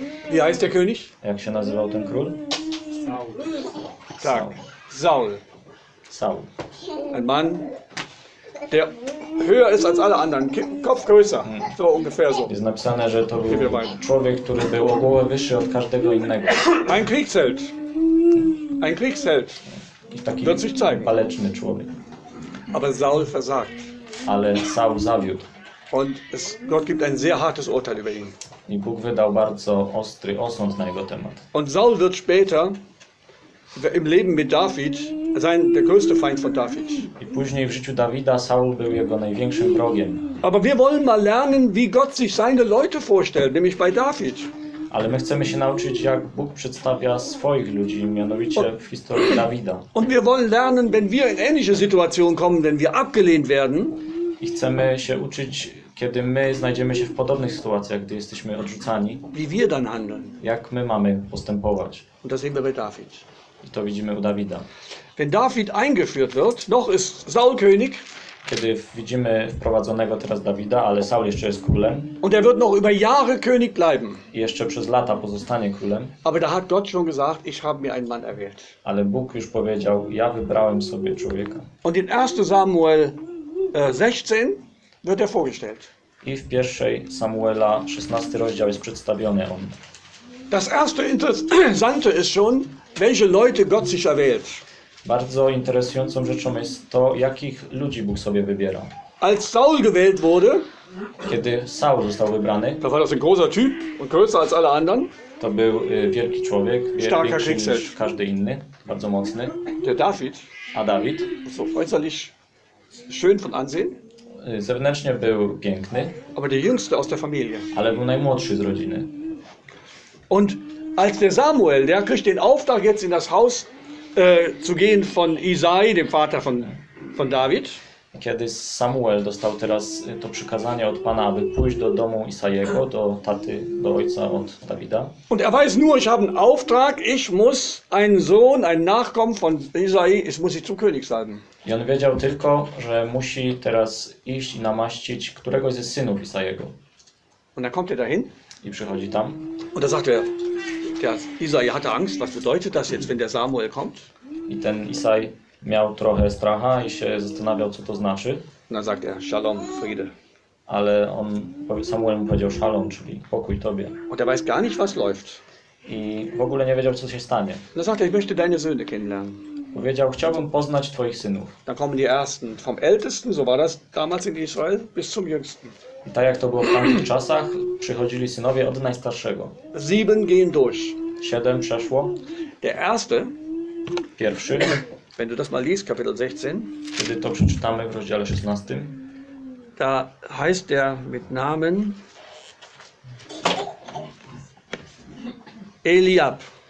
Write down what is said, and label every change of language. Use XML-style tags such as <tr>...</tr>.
<de>Wie heißt der König?</de> <pl>Jak się nazywał ten król? Saul. Saul. Saul.</pl> <de>Ein Mann, der höher ist als alle anderen. Kopf größer. So ungefähr so.</de> <pl>Jest napisane, że to był człowiek, który był o głowę wyższy od każdego innego.</pl> <de>Ein Kriegsheld. Ein Kriegsheld.</de> <pl>Taki</pl> <de>wird sich zeigen.</de> <pl>Waleczny człowiek.</pl> <de>Aber Saul versagt.</de> <pl>Ale Saul zawiódł.</pl> <de>Und es, Gott gibt ein sehr hartes Urteil über ihn.</de> <pl>I Bóg wydał bardzo ostry osąd na jego temat.</pl> <de>Und Saul wird später im Leben mit David sein der größte Feind von David.</de> <pl>I później w życiu Dawida Saul był jego największym wrogiem.</pl> <de>Aber wir wollen mal lernen, wie Gott sich seine Leute vorstellt, nämlich bei David.</de> <pl>Ale my chcemy się nauczyć, jak Bóg przedstawia swoich ludzi, mianowicie w historii Dawida.</pl> <de>Und wir wollen lernen, wenn wir in ähnliche Situation kommen, wenn wir abgelehnt werden.</de> <pl>I chcemy się uczyć, kiedy my znajdziemy się w podobnych sytuacjach, gdy jesteśmy odrzucani.</pl> <de>Wie wir dann handeln.</de> <pl>Jak my mamy postępować.</pl> <de>Und das sehen wir bei David.</de> <pl>I to widzimy u Dawida.</pl> <de>Wenn David eingeführt wird, noch ist Saul König.</de> <pl>Kiedy widzimy wprowadzonego teraz Dawida, ale Saul jeszcze jest królem.</pl> <de>Und er wird noch über Jahre König bleiben.</de> <pl>I jeszcze przez lata pozostanie królem.</pl> <de>Aber da hat Gott schon gesagt, ich habe mir einen Mann erwählt.</de> <pl>Ale Bóg już powiedział, ja wybrałem sobie człowieka.</pl> <de>Und in 1. Samuel 16 wird er vorgestellt.</de> <pl>I w 1. Samuela 16 rozdział jest przedstawiony on.</pl> <de>Das erste interessante ist schon, welche Leute Gott sich erwählt.</de> <pl>Bardzo interesującą rzeczą jest to, jakich ludzi Bóg sobie wybiera.</pl> <de>Als Saul gewählt wurde,</de> <pl>kiedy Saul został wybrany,</pl> <de>to war das ein großer Typ und größer als alle anderen.</de> <pl>To był wielki człowiek, większy niż każdy inny, bardzo mocny.</pl> <de>Der David.</de> <pl>A David?</pl> <de>So äußerlich schön von Ansehen.</de> <pl>Zewnętrznie był piękny.</pl> <de>Aber der jüngste aus der Familie.</de> <pl>Ale był najmłodszy z rodziny.</pl> <de>Und als der Samuel, der kriegt den Auftrag jetzt in das Haus zu gehen von Isai, dem Vater von David.</de> <pl>Kiedy Samuel dostał teraz to przykazanie od Pana, aby pójść do domu Isajego, do taty, do ojca od Dawida.</pl> <de>Und er weiß nur, ich habe einen Auftrag, ich muss einen Sohn, ein Nachkommen von Isai, ich muss ich zum König salben.</de> <pl>I on wiedział tylko, że musi teraz iść i namaścić któregoś ze synów Isajego.</pl> <de>Und dann kommt er dahin.</de> <pl>I przychodzi tam.</pl> <de>Und da sagt er, Isai hatte Angst, was bedeutet das jetzt, wenn der Samuel kommt?</de> <pl>I ten Isai miał trochę stracha i się zastanawiał, co to znaczy.</pl> <de>Na sagt er, Shalom, Friede.</de> <pl>Ale on, Samuel mu powiedział szalom, czyli pokój Tobie.</pl> <de>Und er weiß gar nicht, was läuft.</de> <pl>I w ogóle nie wiedział, co się stanie.</pl> <de>Und er sagte, ich möchte deine Söhne kennenlernen.</de> <pl>Powiedział, chciałbym poznać Twoich synów.</pl> <de>Da kommen die ersten, vom ältesten, so war das damals in Israel, bis zum jüngsten.</de> <pl>I tak jak to było w tamtych czasach, przychodzili synowie od najstarszego.</pl> <de>Sieben gehen durch.</de> <pl>Siedem przeszło.</pl> <de>Der erste,</de> <pl>pierwszy,</pl> <de>wenn du das mal liest, Kapitel 16,</de> <pl>kiedy to przeczytamy w rozdziale 16,</pl> <de>da heißt der mit Namen Eliab.</de>